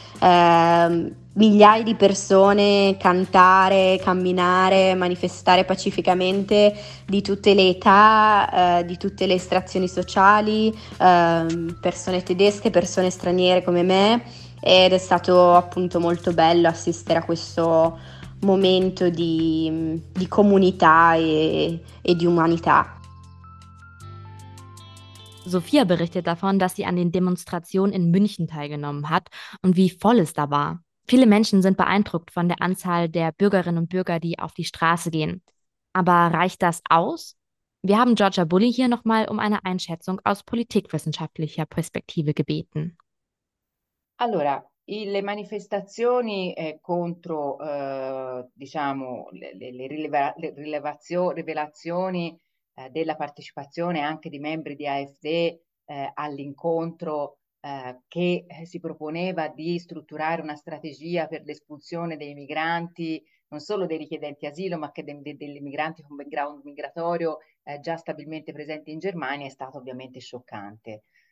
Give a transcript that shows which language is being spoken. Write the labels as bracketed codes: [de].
[it] migliaia di persone cantare, camminare, manifestare pacificamente di tutte le età, di tutte le estrazioni sociali, persone tedesche, persone straniere come me, ed è stato appunto molto bello assistere a questo momento di comunità e di umanità. [de] Sophia berichtet davon, dass sie an den Demonstrationen in München teilgenommen hat und wie voll es da war. Viele Menschen sind beeindruckt von der Anzahl der Bürgerinnen und Bürger, die auf die Straße gehen. Aber reicht das aus? Wir haben Georgia Bulli hier nochmal um eine Einschätzung aus politikwissenschaftlicher Perspektive gebeten. [it] Allora, le manifestazioni contro, diciamo, rivelazioni della partecipazione anche di membri di AfD all'incontro che si proponeva di strutturare una strategia per l'espulsione dei migranti, non solo dei richiedenti asilo, ma anche dei migranti con background migratorio già stabilmente presenti in Germania, è stato ovviamente scioccante.